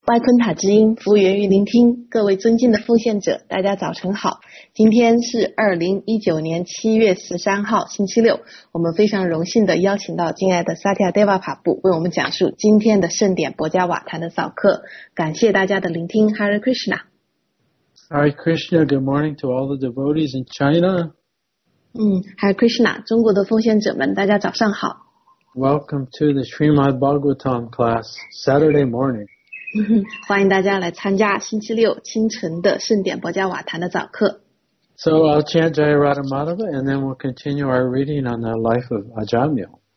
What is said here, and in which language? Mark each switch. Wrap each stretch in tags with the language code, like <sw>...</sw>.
<zh>麦昆塔之音服务员与聆听，各位尊敬的奉献者，大家早晨好。今天是2019年7月13号星期六，我们非常荣幸地邀请到敬爱的萨提亚·德瓦帕布为我们讲述今天的盛典博加瓦坛的早课。感谢大家的聆听。Hare Krishna</zh> <en>Hare Krishna, good morning to all the devotees in China.</en> <zh>Hare Krishna, 中国的奉献者们，大家早上好。</zh> <en>Welcome to the Srimad Bhagavatam class Saturday morning.</en> <zh>欢迎大家来参加星期六清晨的盛典博加瓦坛的早课。</zh> <en>So I'll chant Jaya Radha Madhava and then we'll continue our reading on the life of Ajamil.</en>